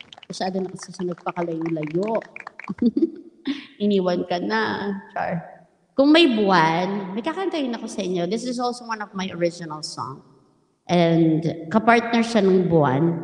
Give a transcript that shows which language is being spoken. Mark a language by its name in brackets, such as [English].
[Filipino] Masyado na kasi siya nagpakalayo-layo. Iniwan ka na. Char. Kung may buwan, may kakantayin ako sa inyo. [English] This is also one of my original song. [Filipino] And kapartner siya ng buwan.